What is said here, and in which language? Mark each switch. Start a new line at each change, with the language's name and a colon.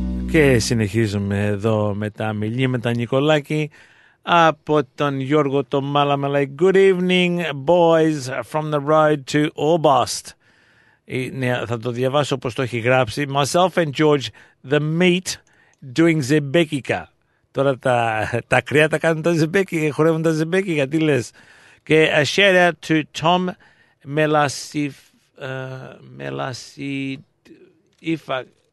Greek: Και συνεχίζουμε εδώ με τα μιλήματα, Νικολάκη, από τον Γιώργο το Μάλαμε.
English: Like, good evening, boys, from the road to Orbost.
Greek: Ναι, θα το διαβάσω όπως το έχει γράψει.
English: Myself and George, the meat, doing
Greek: ζεμπέκικα. Τώρα τα κρύα τα κάνουν τα ζεμπέκικα, χορεύουν τα ζεμπέκικα, τι λες.
English: Και a shout out to Tom Μελασίφα.